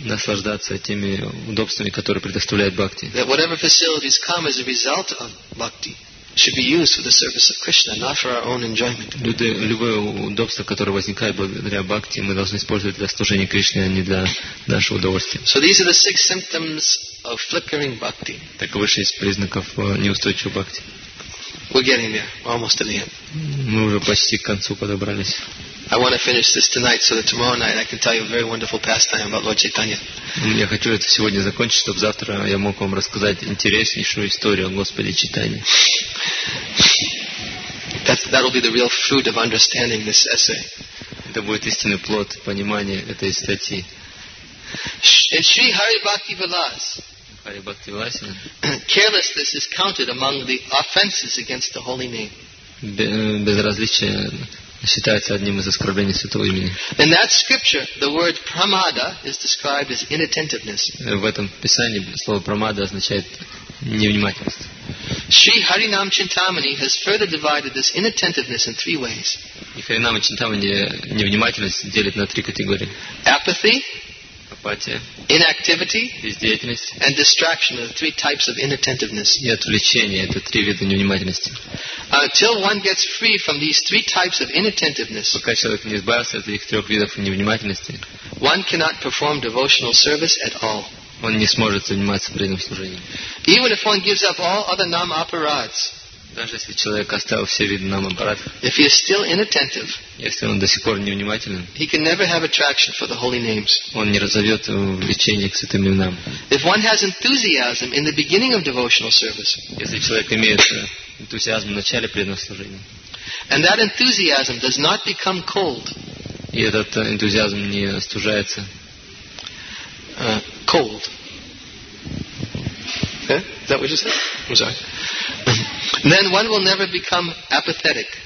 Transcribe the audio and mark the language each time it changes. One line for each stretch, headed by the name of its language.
Russian: Наслаждаться теми удобствами, которые предоставляет бхакти.
English: That whatever facilities come as a result of bhakti should be used for the service of Krishna, not for our own enjoyment.
Russian: Любое удобство, которое возникает благодаря бхакти, мы должны использовать для служения Кришне, а не для нашего удовольствия.
English: So these are the six symptoms of flickering bhakti.
Russian: Таковы шесть признаков неустойчивого бхакти.
English: We're getting there, almost to the end.
Russian: Мы уже почти к концу подобрались.
English: I want to finish this tonight so that tomorrow night I can tell you a very wonderful pastime about Lord Chaitanya.
Russian: Я хочу это сегодня закончить, чтобы завтра я мог вам рассказать интереснейшую историю о Господе Чайтанье.
English: That will be the real fruit of understanding this essay.
Russian: Это будет истинный плод понимания этой статьи.
English: In Sri Hari Bhakti Vilas, carelessness is counted among the offenses against the holy name.
Russian: Безразличие считается одним из оскорблений святого имени.
English: In that scripture, the word pramada is described as inattentiveness.
Russian: В этом писании слово прамада означает невнимательность.
English: Sri Harinam Chintamani has further divided this inattentiveness in three ways.
Russian: И Харинама Чинтамани невнимательность делит на три категории.
English: Apathy.
Russian: Апатия.
English: Inactivity.
Russian: Бездеятельность.
English: And distraction are the three types of inattentiveness.
Russian: И отвлечение это три вида невнимательности.
English: Until one gets free from these three types of inattentiveness,
Russian: пока человек не избавился от этих трех видов невнимательности,
English: one cannot perform devotional service at all.
Russian: Он не сможет заниматься преданным служением.
English: Even if one gives up all other nam aparads,
Russian: даже если человек оставил все виды нам аппарат,
English: if he is still inattentive,
Russian: если он до сих пор невнимателен,
English: he can never have attraction for the holy names.
Russian: Он не разовьет влечение к святым именам.
English: If one has enthusiasm in the beginning of devotional service,
Russian: если человек имеет энтузиазм в начале преданного служения,
English: and that enthusiasm does not become cold,
Russian: и этот энтузиазм не остужается,
English: cold. Is that what you said? I'm sorry. Then one will never become apathetic.